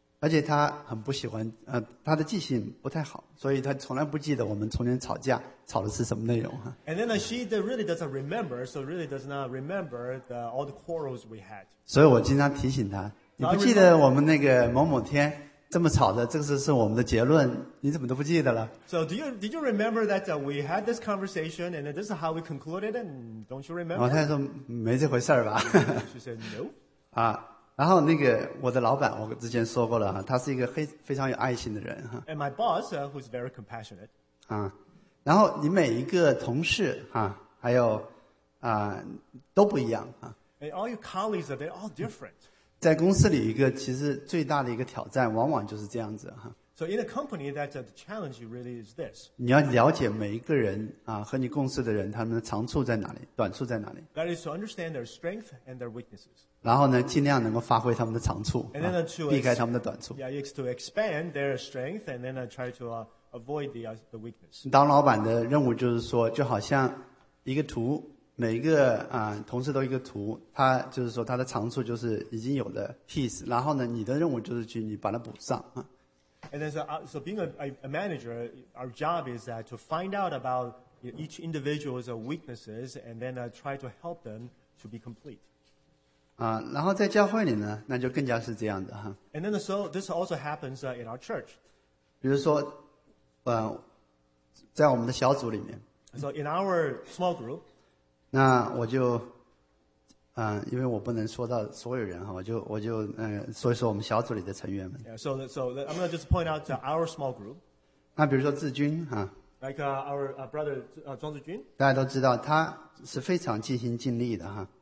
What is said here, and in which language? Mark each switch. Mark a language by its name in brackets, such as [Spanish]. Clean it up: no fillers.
[Chinese] 而且他很不喜欢，他的记性不太好，所以他从来不记得我们从前吵架吵的是什么内容哈。 [English] And then she really doesn't remember, so really does not remember all the quarrels we had. [Chinese] 所以我经常提醒他，你不记得我们那个某某天这么吵的，这个是我们的结论，你怎么都不记得了 [English] ？So did you remember that we had this conversation and this is how we concluded? And don't you remember? [Chinese] 我太太说没这回事吧。 [English] She said no. [Chinese] 啊，然后那个我的老板，我之前说过了，他是一个非常有爱心的人哈。 [English] And my boss, who's very compassionate. [Chinese] 啊，然后你每一个同事哈、啊，还有啊都不一样哈、啊。 [English] And all your colleagues, they're all different.、嗯 [Chinese] 在公司里一个其实最大的一个挑战往往就是这样子哈。 [English] So in a company that the challenge really is this. [Chinese] 你要了解每一个人啊和你共事的人他们的长处在哪里短处在哪里。 [English] That is to understand their strength and their weaknesses. [Chinese] 然后呢尽量能够发挥他们的长处、啊、 [English] and then to [Chinese] 避开他们的短处。 [English] Yeah, it's to expand their strength and then try to avoid the weakness. [Chinese] 当老板的任务就是说就好像一个图每一个啊同事都一个图他就是说他的长处就是已经有的 piece 然后呢你的任务就是去你把它补上啊。 [English] And then so being a manager, our job is to find out about each individual's weaknesses and then try to help them to be complete. [Chinese] 啊然后在教会里呢那就更加是这样的哈。 [English] And then so this also happens in our church. [Chinese] 比如说在我们的小组里面。 [English] So in our small group. [Chinese] 那我就，因为我不能说到所有人哈，我就说一说我们小组里的成员们。 [English] Yeah, so I'm gonna just point out to our small group. [Chinese] 那比如说志军哈。 [English] Like our brother 庄志军。 [Chinese] 大家都知道他是非常尽心尽力的哈。